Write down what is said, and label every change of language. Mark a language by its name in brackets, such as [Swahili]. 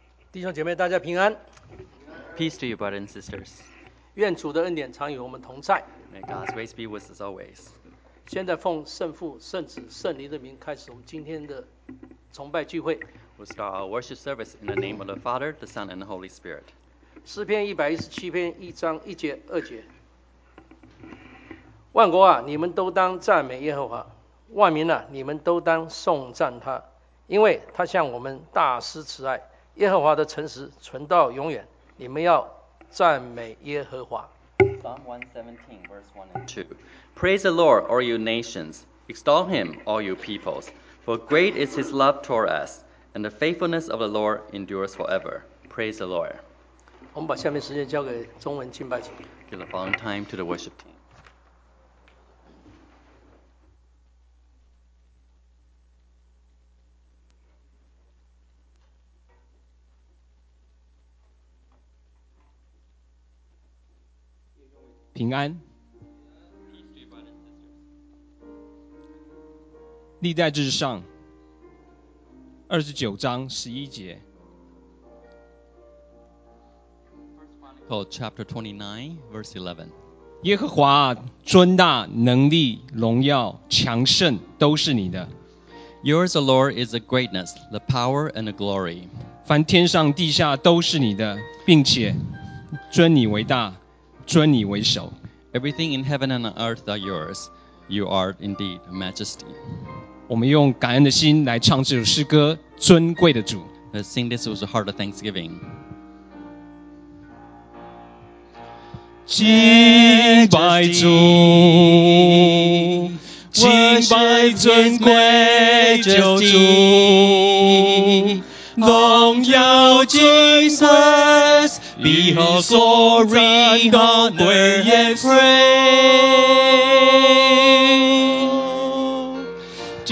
[English] Peace to you, brothers and sisters. May God's grace be with us always. [Chinese] 现在奉圣父、圣子、圣灵的名开始我们今天的崇拜聚会。 [English] We'll start our worship service in the name of the Father, the Son, and the Holy Spirit. [Chinese] 诗篇117篇一章一节二节，万国啊，你们都当赞美耶和华；万民啊，你们都当颂赞他，因为他向我们大施慈爱。耶和华的诚实存到永远，你们要赞美耶和华。 [English] Psalm 117, verse 1 and 2. Praise the Lord, all you nations. Extol him, all you peoples. For great is his love toward us, and the faithfulness of the Lord endures forever. Praise the Lord. [Chinese] 我们把下面时间交给中文敬拜组。 [English] Give the following time to the worship team. [Chinese] 历代志上29章11节。 [English] Oh, chapter 29, verse 11. [Chinese] 耶和华啊，尊大、能力、荣耀、强盛都是你的。 [English] Yours, O Lord, is the greatness, the power, and the glory. [Chinese] 凡天上地下都是你的，并且尊你为大，尊你为首。 [English] Everything in heaven and on earth are yours. You are indeed majesty. [Chinese] 我们用感恩的心来唱这首诗歌，尊贵的主。 [English] Let's sing this with a heart of thanksgiving. [Chinese] 敬拜主，敬拜尊贵救主，荣耀Jesus, [English] behold glory, honor and praise.